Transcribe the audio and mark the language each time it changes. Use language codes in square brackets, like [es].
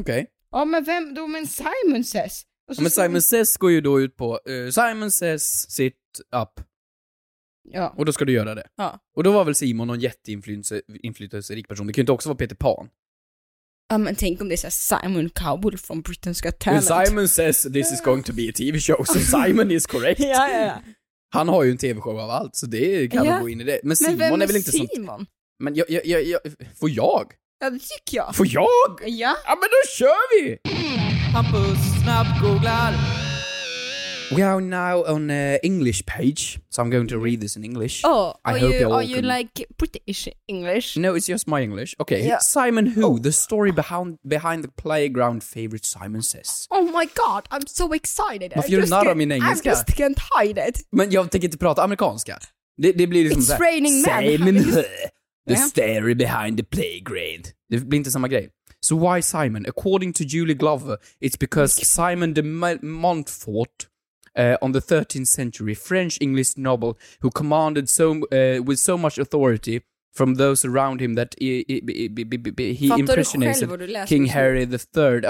[sv] Okay. Ja, men vem då? Men Simon Says. Men Simon Says går ju då ut på Simon Says sit up. Ja. Och då ska du göra det. Ja. Och då var väl Simon någon jätteinflytelserik person. Det kan ju inte också vara Peter Pan. Ja, men tänk om det är Simon Cowell från Britain's Got Talent. [en] When Simon Says this is going to be a TV show. So Simon is correct. [sv] Ja, ja, ja. Han har ju en TV-show av allt, så det kan ja. Gå in i det. Men Simon, men vem är väl Simon? Inte sånt. Simon? Men jag får jag? Ja, det tycker jag. Får jag? Ja. Ja, men då kör vi. Hampus snabbt googlar. [en] We are now on English page, so I'm going to read this in English. Oh, are you like British English? No, it's just my English. Okay, yeah. Simon Who, the story behind the playground favorite Simon Says. Oh my god, I'm so excited. [sv] Varför gör du narr av min engelska? [en] I just can't hide it. [sv] Men jag tänker inte prata amerikanska. Det blir liksom [en] it's [sv] så här, raining Simon man. [en] Who, the story behind the playground. [sv] Det blir inte samma grej. [en] So why Simon? According to Julie Glover, it's because Simon de Montfort, on the 13th century, French-English noble who commanded with so much authority from those around him that he impersonated King Harry the Third.